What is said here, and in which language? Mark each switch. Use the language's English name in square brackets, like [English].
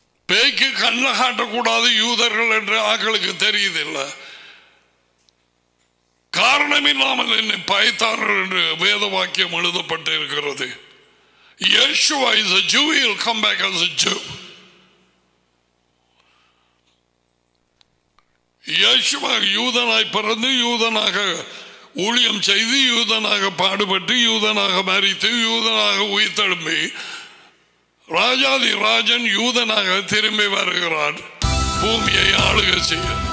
[Tamil] பேய்க்கு கண்ண காட்டக்கூடாது யூதர்கள் என்று ஆக்களுக்கு தெரியுதில்லை. காரணம் இல்லாமல் என்னை பயத்தார்கள் என்று வேத வாக்கியம் எழுதப்பட்டு இருக்கிறது. [English] Yeshua is a Jew, he'll come back as a Jew. [Tamil] Yeshua யூதனாய் பிறந்து யூதனாக ஊழியம் செய்து யூதனாக பாடுபட்டு யூதனாக மரித்து யூதனாக உயிர்த்தெழும்பி ராஜாதி ராஜன் யூதனாக திரும்பி வருகிறார் பூமியை ஆளுக செய்ய.